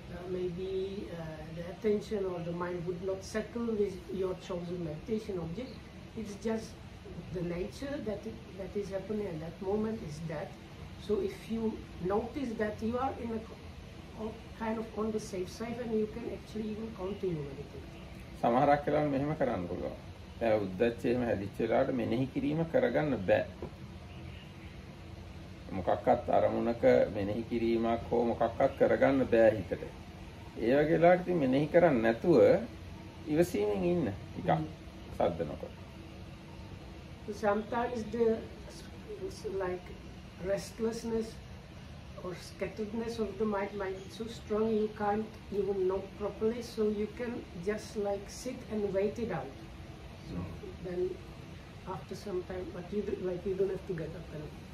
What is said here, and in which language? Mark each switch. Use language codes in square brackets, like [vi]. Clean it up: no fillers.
[en] Maybe the attention or the mind would not settle with your chosen meditation object. It's just the nature that is happening at that moment is that. So if you notice that, you are in a kind of on the safe side, and you can actually even continue meditating. [si] සමහරක් කියලා මෙහෙම කරන්න පුළුවන්. දැන් උද්දච්චය එහෙම හැදිච්ච වෙලාවට මෙනෙහි කිරීම කරගන්න බෑ. මොකක්වත් අරමුණක මෙනෙහි කිරීමක් හෝ මොකක්වත් කරගන්න බෑ හිතට. ඒ වගේ වෙලාවට ඉතින් මෙනෙහි කරන්නේ නැතුව ඉවසීමෙන් ඉන්න එක සද්ද නොකර. [en] Sometimes the like restlessness or scatteredness of the mind might be so strong you can't even know properly, so you can just like sit and wait it out. So then after some time, but you don't have to get up and